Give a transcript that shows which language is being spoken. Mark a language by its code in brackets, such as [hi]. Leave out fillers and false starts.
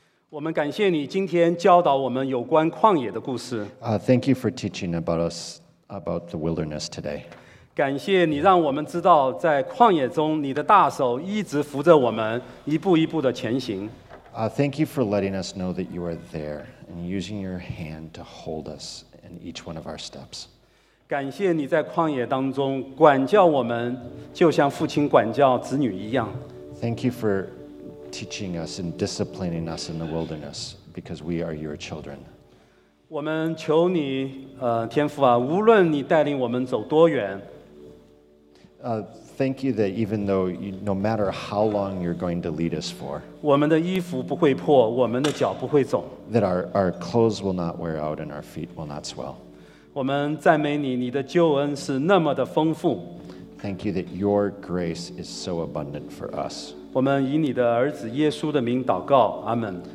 [zh] 我们感谢你今天教导我们有关旷野的故事 [en] Thank you for teaching about us about the wilderness today. [zh] 感谢你让我们知道在旷野中你的大手一直扶着我们一步一步的前行 [en] Thank you for letting us know that you are there and using your hand to hold us in each one of our steps. [zh] 感谢你在旷野当中管教我们，就像父亲管教子女一样。 [en] Thank you for teaching us and disciplining us in the wilderness because we are your children. [zh] 我们求你，天父啊，无论你带领我们走多远。 [en] Thank you that even though you, no matter how long you're going to lead us for, [zh] 我们的衣服不会破，我们的脚不会肿。 [en] That our clothes will not wear out and our feet will not swell. [zh] 我们赞美你，你的救恩是那么的丰富。 [en] Thank you that your grace is so abundant for us. [zh] 我们以你的儿子耶稣的名祷告，阿门。